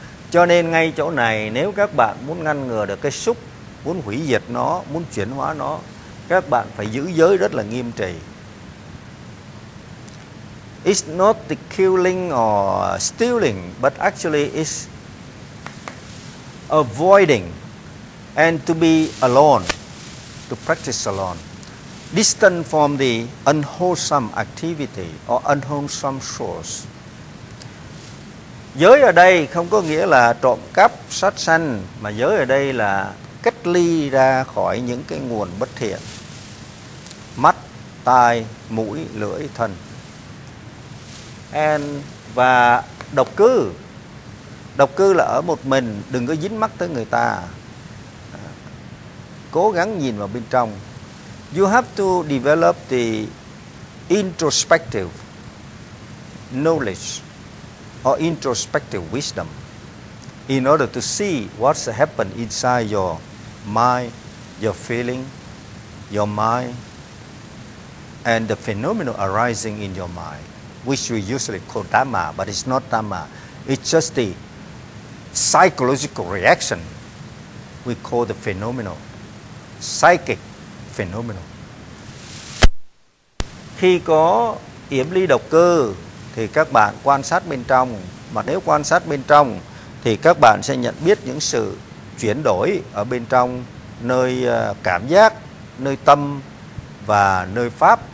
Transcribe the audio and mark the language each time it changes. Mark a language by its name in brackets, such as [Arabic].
[Vietnamese] Cho nên ngay chỗ này, nếu các bạn muốn ngăn ngừa được cái xúc, muốn hủy diệt nó, muốn chuyển hóa nó, các bạn phải giữ giới rất là nghiêm trì. [English] It's not the killing or stealing, but actually it's avoiding and to be alone, to practice alone, distant from the unwholesome activity or unwholesome source. [Vietnamese] Giới ở đây không có nghĩa là trộm cắp, sát sanh, mà giới ở đây là cách ly ra khỏi những cái nguồn bất thiện. Mắt, tai, mũi, lưỡi, thân. Và độc cư. Độc cư là ở một mình, đừng có dính mắt tới người ta. Cố gắng nhìn vào bên trong. [English] You have to develop the introspective knowledge or introspective wisdom in order to see what's happened inside your mind, your feeling, your mind, and the phenomena arising in your mind, which we usually call Dhamma, but it's not Dhamma. It's just the psychological reaction we call the phenomena, psychic phenomena. [Vietnamese] Khi có yểm ly độc cơ, thì các bạn quan sát bên trong. Mà nếu quan sát bên trong, thì các bạn sẽ nhận biết những sự chuyển đổi ở bên trong, nơi cảm giác, nơi tâm và nơi pháp.